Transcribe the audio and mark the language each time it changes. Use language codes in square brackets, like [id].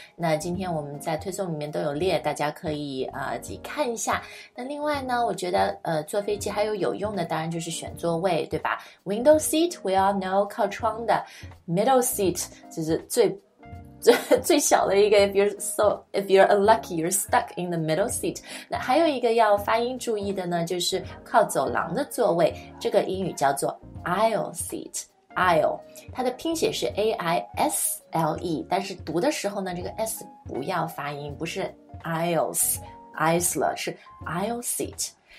[zh] 那今天我们在推送里面都有列，大家可以自己看一下。那另外呢，我觉得坐飞机还有用的，当然就是选座位，对吧？ [en] Window seat we all know [zh] 靠窗的。 Middle seat 就是最小的一个。 [en] If you're unlucky, you're stuck in the middle seat。 [zh] 那还有一个要发音注意的呢，就是靠走廊的座位，这个英语叫做 aisle seat。 aisle 它的拼写是 aisle，但是读的时候呢，这个 s 不要发音，不是 aisle 了，是 aisle seat。